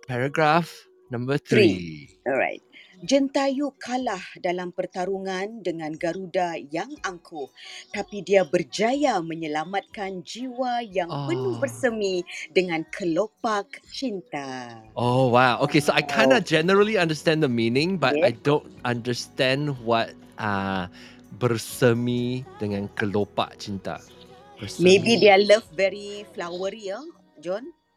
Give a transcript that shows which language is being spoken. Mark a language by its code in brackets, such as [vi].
[en] Paragraph number three. All right. [ms] Jentayu kalah dalam pertarungan dengan Garuda yang angkuh, tapi dia berjaya menyelamatkan jiwa yang penuh bersemi dengan kelopak cinta. [en] Oh wow. Okay, so I kind of generally understand the meaning, but I don't understand what [ms] bersemi dengan kelopak cinta. Bersemi. [en] Maybe their love very flowery, John?